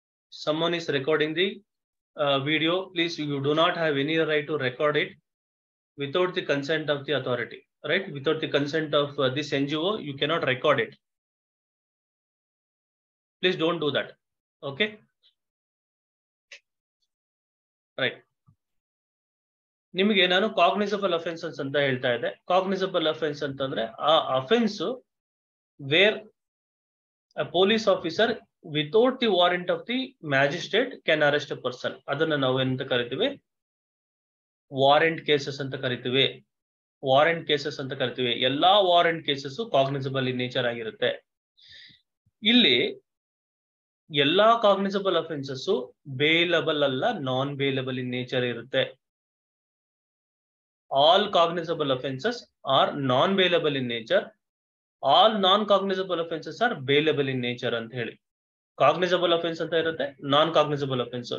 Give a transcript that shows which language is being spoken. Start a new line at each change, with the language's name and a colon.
English: Someone is recording the video. Please, you do not have any right to record it without the consent of the authority, right? Without the consent of this NGO, you cannot record it. Please don't do that, okay? Right.
Kannada: ನಿಮಗೆ ನಾನು
English: cognizable offences
Kannada: ಅಂತ ಹೇಳ್ತಾ ಇದ್ದೆ.
English: cognizable offence
Kannada: ಅಂತಂದ್ರೆ ಆ
English: Offence where a police officer without the warrant of the magistrate can arrest a person.
Kannada: ಅದನ್ನ ನಾವು ಎಂತ ಕರಿತೀವಿ, ವಾರಂಟ್ ಕೇಸಸ್ ಅಂತ ಕರಿತೀವಿ. ವಾರಂಟ್ ಕೇಸಸ್ ಅಂತ ಕರಿತೀವಿ. ಎಲ್ಲಾ warrant cases cognisable
English: in nature
Kannada: ಆಗಿರುತ್ತೆ. ಇಲ್ಲಿ ಎಲ್ಲಾ ಕಾಗ್ನಿಸಬಲ್ ಅಫೆನ್ಸಸ್ ಬೇಲಬಲ್ ಅಲ್ಲ,
English: non bailable in nature
Kannada: ಇರುತ್ತೆ.
English: All cognizable offences are non-bailable in nature. All non-cognizable offences are bailable in nature.
Kannada: ಅಂತ ಹೇಳಿ ಕಾಗ್ನಿಸಬಲ್ ಅಫೆನ್ಸ್ ಅಂತ ಇರುತ್ತೆ, ನಾನ್ ಕಾಗ್ನಿಸಬಲ್ ಅಫೆನ್ಸ್.